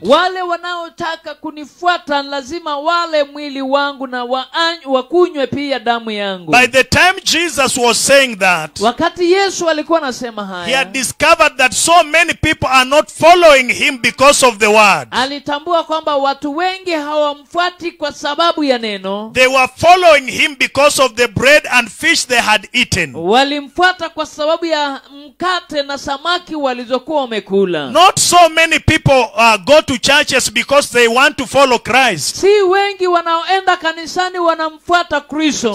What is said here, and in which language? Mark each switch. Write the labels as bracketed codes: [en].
[sw] Wale wanaotaka kunifuata lazima wale mwili wangu na wakunywe pia damu yangu. [en] By the time Jesus was saying that, [sw] wakati Yesu alikuwa anasema haya, [en] he had discovered that so many people are not following him because of the word. [sw] Alitambua kwamba watu wengi hawamfuati kwa sababu ya neno. [en] They were following him because of the bread and fish they had eaten. [sw] Walimfuata kwa sababu ya mkate na samaki walizokuwa wamekula. [en] Not so many people go to churches because they want to follow Christ. [sw] Si wengi wanaoenda kanisani wanamfuata Kristo.